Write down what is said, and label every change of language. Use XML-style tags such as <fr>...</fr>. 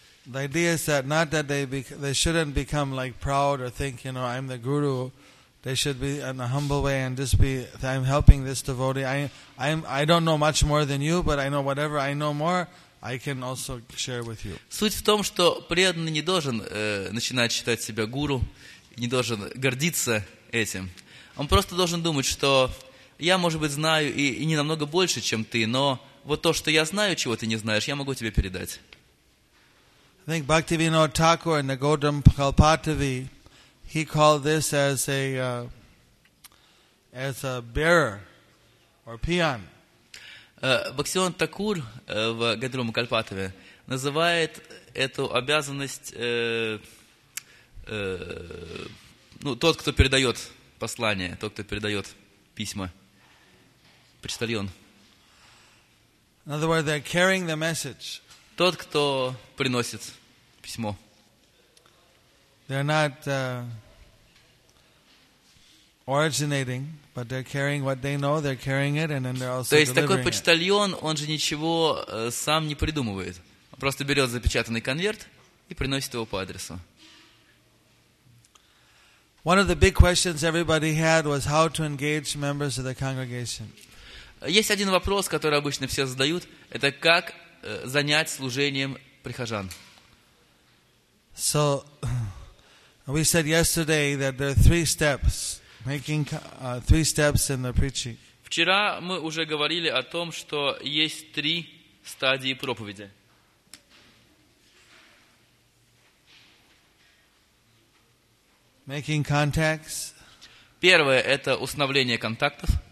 <en>The idea is that not that they shouldn't become like proud or think, you know, I'm the guru. They should be in a humble way and just be, I'm helping this devotee. I don't know much more than you, but I know whatever I know more, I can also share with you.</en> <ru>Суть в том, что преданный не должен начинать считать себя гуру, не должен гордиться этим. Он просто должен думать, что я, может быть, знаю и не намного больше, чем ты, но вот то, что я знаю, чего ты не знаешь, я могу тебе передать.</ru> <en>I think Bhaktivinoda Thakur and the Gaudam Kalpativi, he called this as a bearer or peon.</en> <ru>Bhaktivinoda Thakur в Gaudam Kalpativi называет эту обязанность тот, кто передает послание, тот, кто передает письма, почтальон.</ru> <en>In other words, they're carrying the message.</en> <ru>Тот, кто приносит письмо.</ru> <en>They're not originating, but they're carrying what they know, they're carrying it, and then they're also delivering it.</en> <ru>То есть такой почтальон, он же ничего сам не придумывает. Он просто берет запечатанный конверт и приносит его по адресу.</ru> <en>One of the big questions everybody had was how to engage members of the congregation.</en> <ru>Есть один вопрос, который обычно все задают, это как занять служением прихожан.</ru> <en>So we said yesterday that there are three steps, making three steps in the preaching.</en> <ru>Вчера мы уже говорили о том, что есть три стадии проповеди.</ru> <en>Making contacts.</en> <ru>Первое – это установление контактов.</ru>